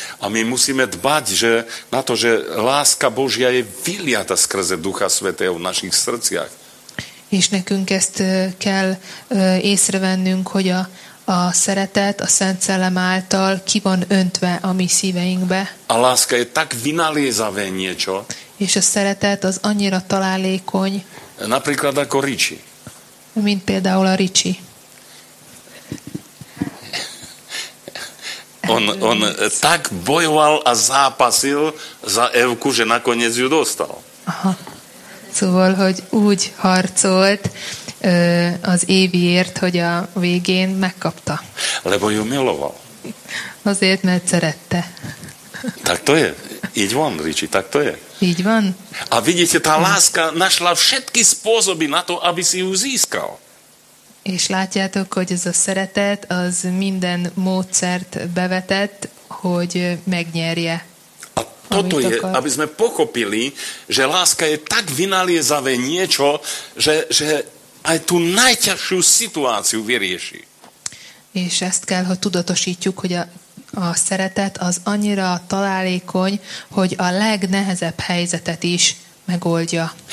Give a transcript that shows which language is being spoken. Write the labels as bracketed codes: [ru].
[sk] A mi musíme dbať, že na to, že láska Božia je vyliata skrze Ducha Svätého v našich srdciach. [hu] És nekünk ezt kell észrevennünk, hogy a szeretet a Szent Szellem által ki van öntve a mi szíveinkbe. [sk] A láska je tak vynaliezavé niečo. [hu] És a szeretet az annyira találékony. [sk] Napríklad ako Ricsi. [hu] Mint például a Ricsi. [sk] On tak bojoval a zápasil za Evku, že nakoniec ju dostal. Aha. [hu] Szóval, hogy úgy harcolt az Éviért, hogy a végén megkapta. [sk] Lebo ju miloval. [hu] Azért, mert szerette. [sk] Tak to je. [hu] Így van, [sk] Ricsi, tak to je. [hu] Így van. [sk] A vidíte, tá láska našla všetky spôsoby na to, aby si ju získal. [hu] És látjátok, hogy ez a szeretet az minden módszert bevetett, hogy megnyerje. [sk] A toto je, aby sme pochopili, že láska je tak vynaliezavé niečo, že aj tú najťažšiu situáciu vyrieši. [hu] És ezt kell, hogy tudatosítjuk, hogy a szeretet az annyira találékony, hogy a legnehezebb helyzetet is megoldja.